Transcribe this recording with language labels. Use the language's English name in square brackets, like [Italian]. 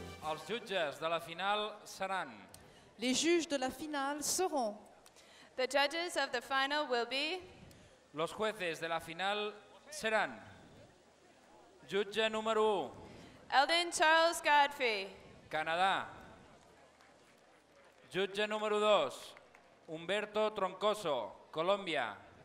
[Catalan] Els jutges de la final seran. [French] Les juges de la finale seront. [English] The judges of the final will be. [Spanish] Los jueces de la final serán. [Catalan] Jutge número 1. Eldon Charles Godfrey. Canadá. Jutge número 2. Humberto Troncoso, Colombia.